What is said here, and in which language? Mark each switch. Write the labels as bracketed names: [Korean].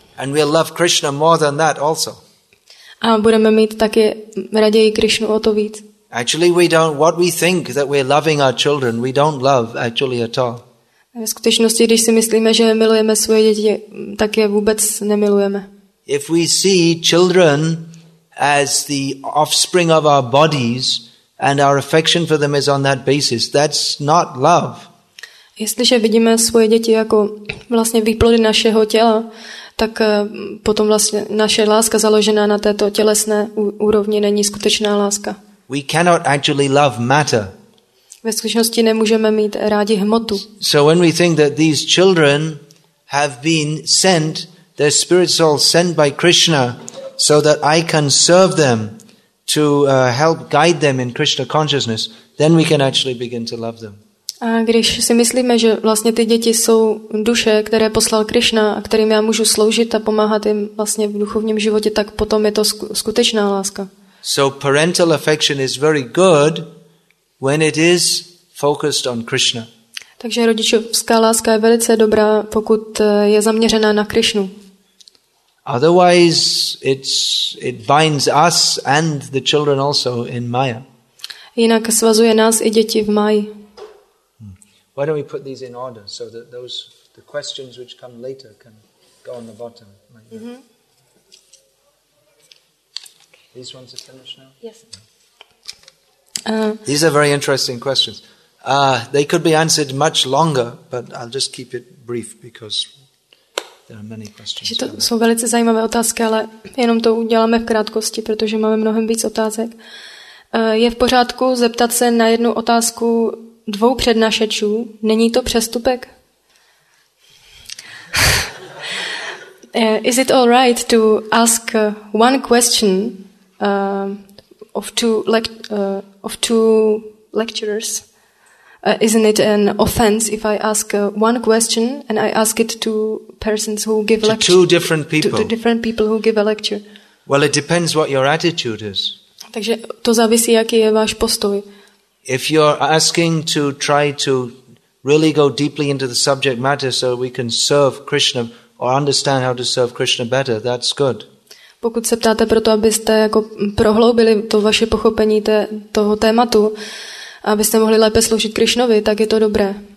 [English] And we'll love Krishna more than that also. [Czech] A budeme mít taky raději Krishnu o to víc. [English] Actually, we don't. What we think that we're loving our children, we don't love actually at all. [Czech] Ve skutečnosti, když si myslíme, že milujeme svoje děti, tak je vůbec nemilujeme. [English] If we see children as the offspring of our bodies, and our affection for them is on that basis, that's not love. [Czech] Jestliže vidíme svoje děti jako vlastně výplody našeho těla, tak potom vlastně naše láska založená na této tělesné úrovni není skutečná láska. [English] We cannot actually love matter. [Czech] Ve skutečnosti nemůžeme mít rádi hmotu. [English] So when we think that these children have been sent, their spirits all sent by Krishna, so that I can serve them, to help guide them in Krishna consciousness, then we can actually begin to love them. [Czech] A když si myslíme, že vlastně ty děti jsou duše, které poslal Krishna, a kterým já můžu sloužit a pomáhat jim vlastně v duchovním životě, tak potom je to skutečná láska. [English] So parental affection is very good when it is focused on Krishna. [Czech] Takže rodičovská láska je velice dobrá, pokud je zaměřená na Krishnu. [English] Otherwise, it binds us and the children also in Maya. [Czech] Jinak svazuje nás i děti v Maji. [English] Why don't we put these in order so that the questions which come later can go on the bottom? Like mm-hmm. These ones are finished now. Yes. These are very interesting questions. They could be answered much longer, but I'll just keep it brief because. [Czech] Že to jsou velice zajímavé otázky, ale jenom to uděláme v krátkosti, protože máme mnohem víc otázek. Je v pořádku zeptat se na jednu otázku dvou přednášečů? Není to přestupek? [English] Is it all right to ask one question of two lecturers? Isn't it an offense if I ask one question and I ask it to persons who give lecture? To two different people. To different people who give a lecture. Well, it depends what your attitude is. [Czech] Takže to závisí, jaký je váš postoj. [English] If you're asking to try to really go deeply into the subject matter so we can serve Krishna or understand how to serve Krishna better, that's good. [Czech] Pokud se ptáte proto, abyste jako prohloubili to vaše pochopení toho tématu, abyste mohli lépe sloužit Krišnovi, tak je to dobré.